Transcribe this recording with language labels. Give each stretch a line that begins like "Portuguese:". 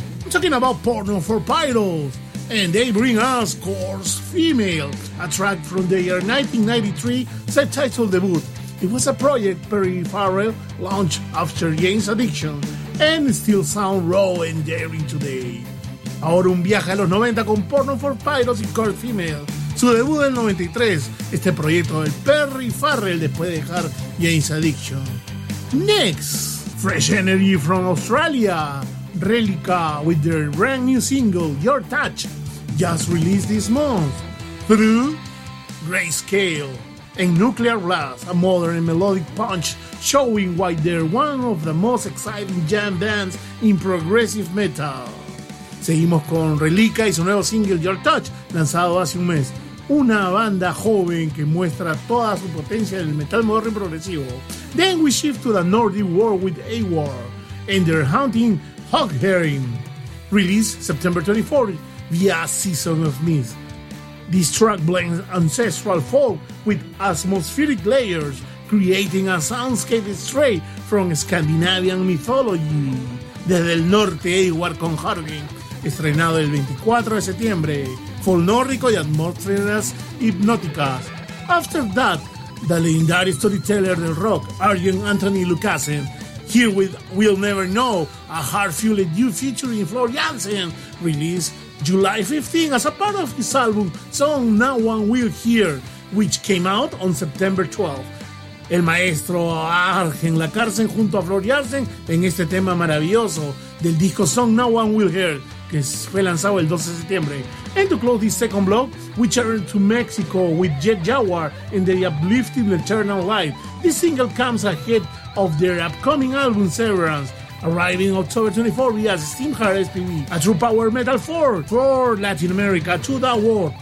English: I'm talking about Porno for Pyros, and they bring us Coarse Female, a track from their 1993 self-titled debut. It was a project Perry Farrell launched after Jane's addiction, and still sound raw and daring today.
Spanish: Ahora un viaje a los 90 con Porno for Pyros y Coarse Female. Su debut en 93, este proyecto del Perry Farrell después de dejar Jane's addiction.
English: Next, Fresh Energy from Australia, Relica with their brand new single, Your Touch, just released this month, through Grayscale and Nuclear Blast, a modern and melodic punch showing why they're one of the most exciting jam bands in progressive metal.
Spanish: Seguimos con Relica y su nuevo single, Your Touch, lanzado hace un mes. Una banda joven que muestra toda su potencia en el metal moderno y progresivo.
English: Then we shift to the Nordic world with A-War and their haunting Hog Herring, released September 24th via Season of Mist. This track blends ancestral folk with atmospheric layers, creating a soundscape straight from Scandinavian mythology.
Spanish: Desde el Norte, A-War con Herring, estrenado el 24 de septiembre. Folnórico y atmósferas hipnóticas.
English: After that, the legendary storyteller
Spanish: del rock,
English: Arjen Anthony Lucassen, here with We'll Never Know, a heart-fueled new featuring Flor Jansen, released July 15 as a part of his album Song No One Will Hear, which came out on September 12.
Spanish: El maestro Arjen Lucassen junto a Flor Jansen en este tema maravilloso del disco Song No One Will Hear, que fue lanzado el 12 de septiembre.
English: And to close this second block, we turn to Mexico with Jet Jaguar and their uplifting Eternal Light. This single comes ahead of their upcoming album Severance, arriving October 24 via Steamheart SPV, a true power metal force for Latin America to the world.